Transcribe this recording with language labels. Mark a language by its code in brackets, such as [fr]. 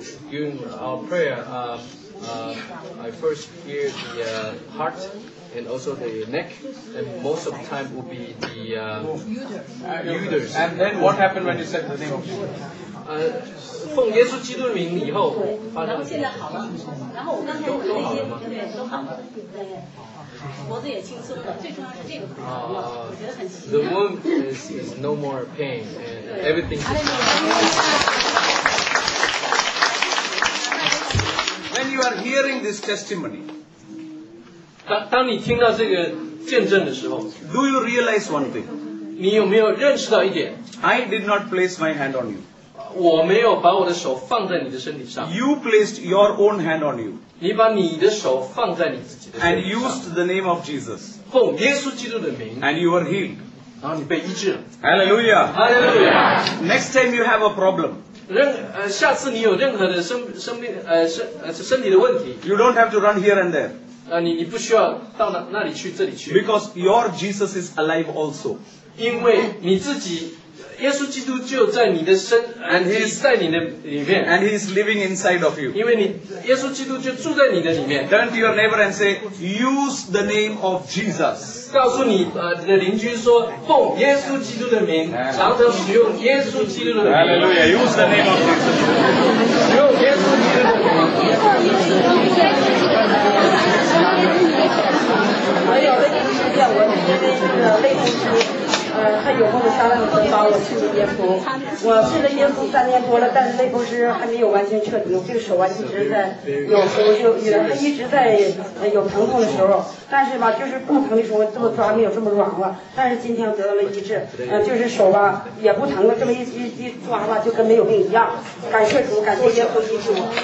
[en] During our prayer, I first hear the heart and also the neck, and most of the time will be the uterus. And then what happened when you said the name of Jesus? [zh] 奉耶稣基督的名以后，然后现在好了，然后我刚才都好了吗？对，都好了，脖子也轻松了，最重要是这个很重要，我觉得很奇 [en] 妙。The womb is no more pain and everything. When you are hearing this testimony, [zh] 当你听到这个见证的时候 [en] ，Do you realize one thing? [zh] 你有没有认识到一点 [en] ？I did not place my hand on you. [zh] 我没有把我的手放在你的身体上。 [en] You placed your own hand on you. [zh] 你把你的手放在你自己的身体上。 [en] And used the name of Jesus. [zh] 奉耶稣基督的名。 [en] And you were healed. [zh] 然后你被医治了。 [en] Hallelujah. Hallelujah. Next time you have a problem. [zh] 下次你有任何的身体的问题。 [en] You don't have to run here and there. [zh] 你不需要到那里去这里去。 [en] Because your Jesus is alive also. [zh] 因为你自己。耶稣基督就在你的身， [en] and he [zh] is 在你的里面 [en] ，and he is living inside of you。 [zh] 因为你耶稣基督就住在你的里面。 [en] Turn to your neighbor and say, use the name of Jesus。 [zh] 告诉你的邻居说，奉耶稣基督的名，常常使用耶稣基督的名。 [en] Hallelujah, use the name of Jesus。 [zh] 使用耶稣基督的名。没有，那天我因为那个肋骨。他有空的商量的时候把我去了耶稣，我去了耶稣三年多了，但是肋骨是还没有完全彻底，这个手啊一直在有时候就一直在有疼痛的时候，但是吧就是不疼的时候这么抓没有这么软了，但是今天得到了医治，就是手吧也不疼了，这么一抓吧就跟没有病一样，感谢主，感谢耶稣医治我。